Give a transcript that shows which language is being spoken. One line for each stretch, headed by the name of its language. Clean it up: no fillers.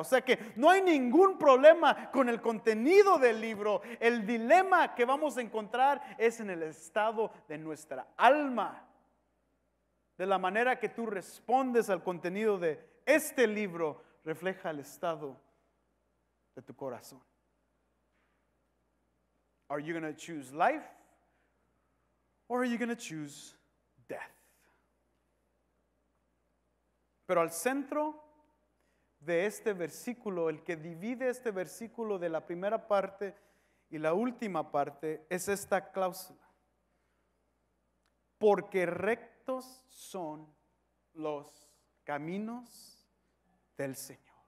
Spanish: O sea que no hay ningún problema con el contenido del libro. El dilema que vamos a encontrar es en el estado de nuestra alma. De la manera que tú respondes al contenido de este libro, refleja el estado de tu corazón.
English: Are you going to choose life? Or are you going to choose death?
Spanish: Pero al centro de este versículo, el que divide este versículo de la primera parte y la última parte, es esta cláusula. Porque rectos son los caminos del Señor.